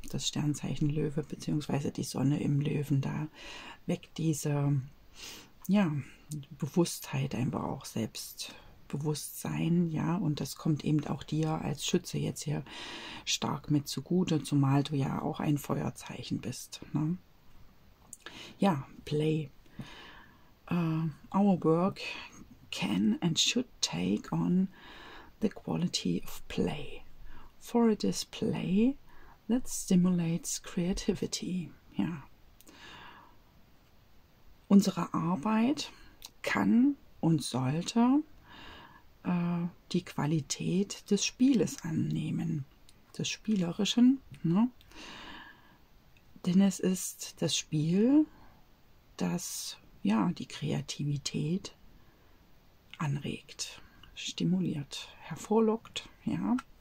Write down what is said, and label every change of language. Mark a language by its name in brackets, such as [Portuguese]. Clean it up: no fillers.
[German] Das Sternzeichen Löwe bzw. die Sonne im Löwen, da weckt diese, ja, Bewusstheit einfach auch, Selbstbewusstsein, ja, und das kommt eben auch dir als Schütze jetzt hier stark mit zugute, zumal du ja auch ein Feuerzeichen bist, ne? Ja, Play. [English] Our work can and should take on the quality of play. For a display that stimulates creativity. [German] Ja. Unsere Arbeit kann und sollte die Qualität des Spieles annehmen, des Spielerischen. Ne? Denn es ist das Spiel, das ja, die Kreativität anregt, stimuliert, hervorlockt. Ja.